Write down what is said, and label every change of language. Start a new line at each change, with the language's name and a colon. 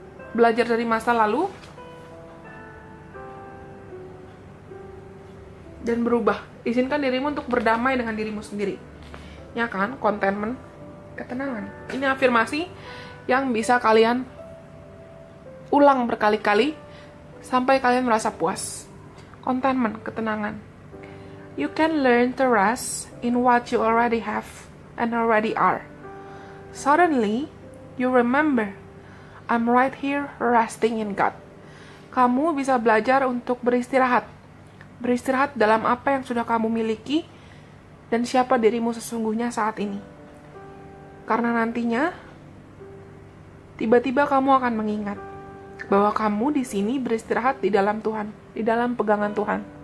Indonesian: Belajar dari masa lalu dan berubah. Izinkan dirimu untuk berdamai dengan dirimu sendiri. Ya kan? Contentment. Ketenangan. Ini afirmasi yang bisa kalian ulang berkali-kali sampai kalian merasa puas. Contentment, ketenangan.
English: You can learn to rest in what you already have and already are. Suddenly, you remember, I'm right here resting in God.
Indonesian: Kamu bisa belajar untuk beristirahat. Beristirahat dalam apa yang sudah kamu miliki dan siapa dirimu sesungguhnya saat ini. Karena nantinya, tiba-tiba kamu akan mengingat, bahwa kamu di sini beristirahat di dalam Tuhan, di dalam pegangan Tuhan.